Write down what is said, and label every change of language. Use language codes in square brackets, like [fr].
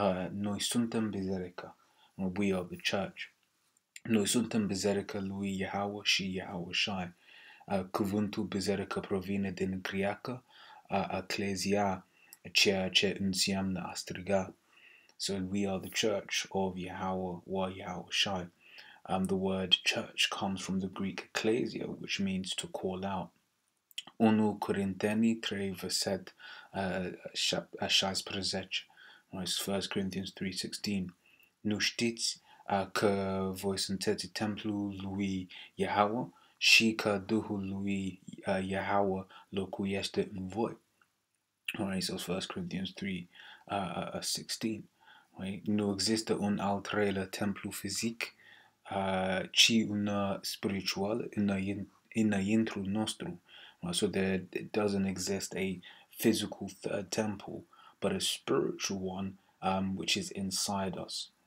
[ro] Noi suntem Biserica, [en] we are the church. [ro] Noi suntem Biserica lui Yahweh și Yahushai. Cuvântul Biserica provine din greacă, ecclesia, ceea ce înseamnă a striga. [en] So we are the church of Yahweh or Yahushai. The word church comes from the Greek ecclesia, which means to call out. [ro] 1 Corinteni 3 verset 16. [en] 1 Corinthians 3:16. [ro] Nu știți că voi sunteți templul lui Yahweh și că Duhul lui Yahweh locuiește în voi. [en] Alright, so 1 Corinthians 3:16. Right? [ro] Nu există un al treilea templu fizic, ci una spiritual înăintru nostru. [en] Right? So there doesn't exist a physical third temple, but a spiritual one which is inside us.